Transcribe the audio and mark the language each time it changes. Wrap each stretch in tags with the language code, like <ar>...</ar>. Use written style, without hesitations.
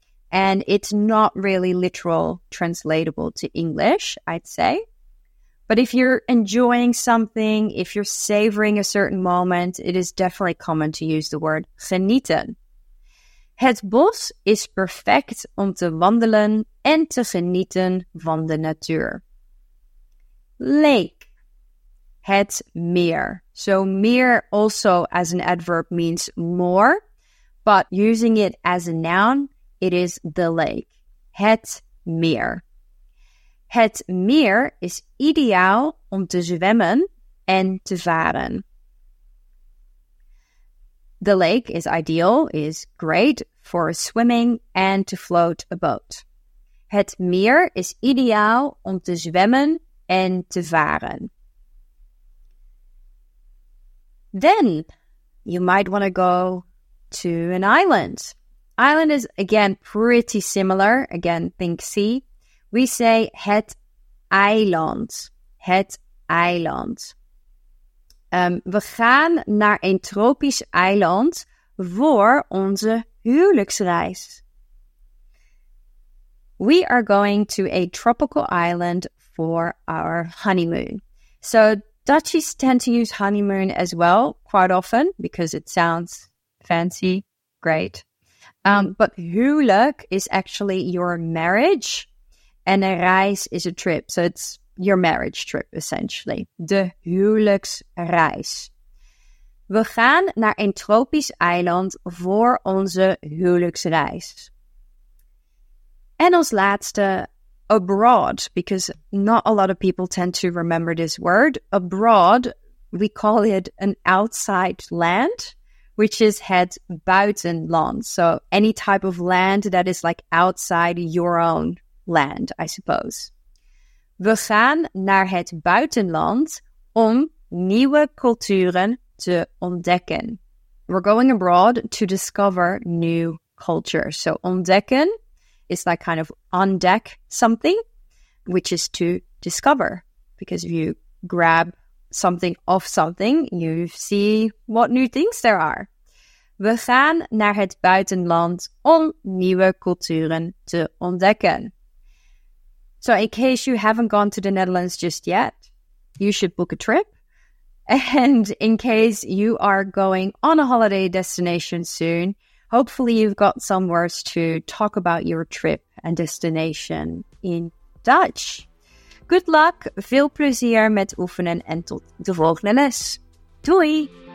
<en>And it's not really literal, translatable to English, I'd say. But if you're enjoying something, if you're savoring a certain moment, it is definitely common to use the word genieten.</en> <nl>Het bos is perfect om te wandelen en te genieten van de natuur. Lake. Het meer.</nl> <en>So meer also as an adverb means more, but using it as a noun, it is the lake.</en> <nl>Het meer. Het meer is ideaal om te zwemmen en te varen.</nl> <en>The lake is ideal, is great for swimming and to float a boat.</en> <nl>Het meer is ideaal om te zwemmen en te varen.</nl> <en>Then, you might want to go to an island. Island is, again, pretty similar. Again, think sea.</en> <nl>We say het eiland. Het eiland. We gaan naar een tropisch eiland voor onze huwelijksreis.</nl> <en>We are going to a tropical island for our honeymoon. So Dutchies tend to use honeymoon as well quite often because it sounds fancy, great. But huwelijk is actually your marriage. And a reis is a trip, so it's your marriage trip, essentially.</en> <nl>De huwelijksreis. We gaan naar een tropisch eiland voor onze huwelijksreis. En als laatste,</nl> <en>abroad, because not a lot of people tend to remember this word. Abroad, we call it an outside land, which is het buitenland. So any type of land that is like outside your own land, I suppose.</en> <nl>We gaan naar het buitenland om nieuwe culturen te ontdekken.</nl> <en>We're going abroad to discover new culture. So ontdekken is like kind of on deck something, which is to discover. Because if you grab something off something, you see what new things there are.</en> <nl>We gaan naar het buitenland om nieuwe culturen te ontdekken.</nl> <en>So in case you haven't gone to the Netherlands just yet, you should book a trip. And in case you are going on a holiday destination soon, hopefully you've got some words to talk about your trip and destination in Dutch. Good luck,</en> <nl>veel plezier met oefenen en tot de volgende les. Doei!</nl>